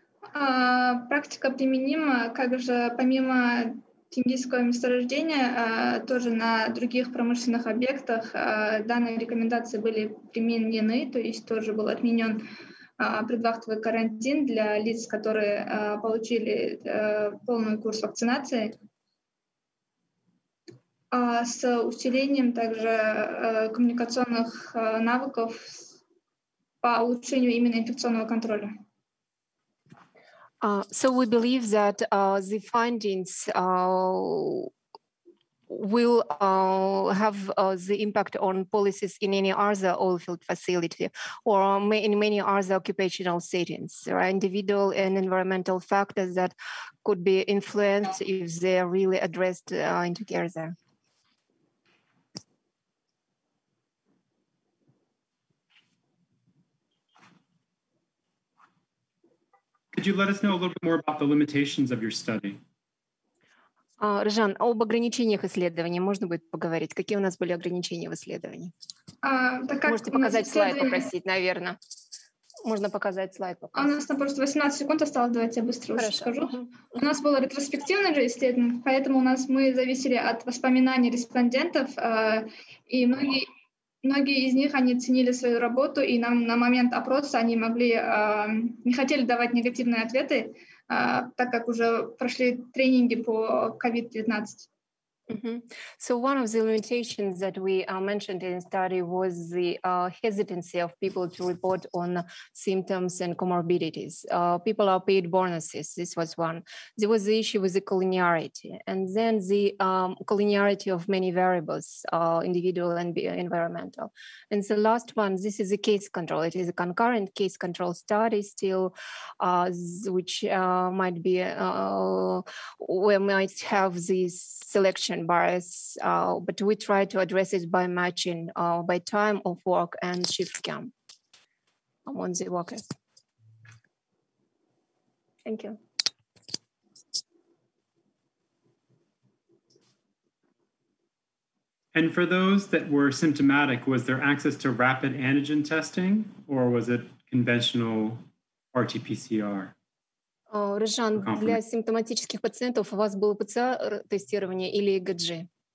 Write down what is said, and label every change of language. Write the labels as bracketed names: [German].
[Russian] Практика применима, как же помимо тенгизского месторождения, тоже на других промышленных объектах данные рекомендации были применены, то есть тоже был отменен предвахтовый карантин для лиц, которые получили полный курс вакцинации. С усилением также коммуникационных навыков по улучшению именно инфекционного контроля. [English] So we believe that the findings will have the impact on policies in any other oilfield facility or in many other occupational settings. There are individual and environmental factors that could be influenced if they are really addressed together. Could you let us know a little bit more about the limitations of your study? [Russian] Рыжан, об ограничениях исследования можно будет поговорить? Какие у нас были ограничения в исследовании? Можете показать слайд, попросить, наверное. Можно показать слайд. У нас там просто 18 секунд осталось, давайте я быстро расскажу. У нас было ретроспективное же исследование, поэтому у нас мы зависели от воспоминаний респондентов, и многие Многие из них, они ценили свою работу, и нам на момент опроса они могли, не хотели давать негативные ответы, так как уже прошли тренинги по COVID-19. Mm-hmm. [English] So one of the limitations that we mentioned in the study was the hesitancy of people to report on symptoms and comorbidities. People are paid bonuses. This was one. There was the issue with the collinearity, and then the collinearity of many variables, individual and environmental. And the last one, this is a case control. It is a concurrent case control study still, which might be where might have this selection bias, but we try to address it by matching by time of work and shift cam among the workers. Thank you. And for those that were symptomatic, was there access to rapid antigen testing or was it conventional RT-PCR? [Russian] Рыжан, для симптоматических пациентов у вас было ПЦР-тестирование или ЭГГ?